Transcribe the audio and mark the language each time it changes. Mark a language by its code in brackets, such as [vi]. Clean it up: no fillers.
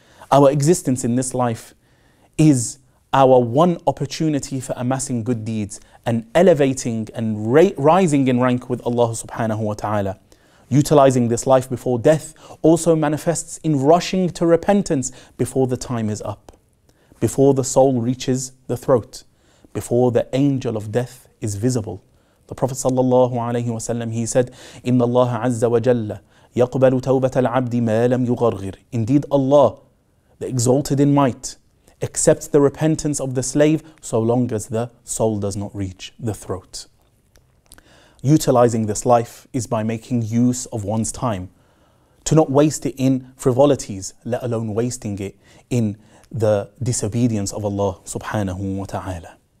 [en] Our existence in this life is our one opportunity for amassing good deeds and elevating and rising in rank with Allah subhanahu wa ta'ala. Utilizing this life before death also manifests in rushing to repentance before the time is up, before the soul reaches the throat, before the angel of death is visible. The Prophet sallallahu alaihi wasallam, he said, [ar] إِنَّ اللَّهَ عَزَّ وَجَلَّ يَقْبَلُ تَوْبَةَ الْعَبْدِ مَا لَمْ يُغَرْغِرْ. [en] Indeed, Allah, the exalted in might, accepts the repentance of the slave so long as the soul does not reach the throat. Utilizing this life is by making use of one's time, to not waste it in frivolities, let alone wasting it in the disobedience of Allah subhanahu wa ta'ala.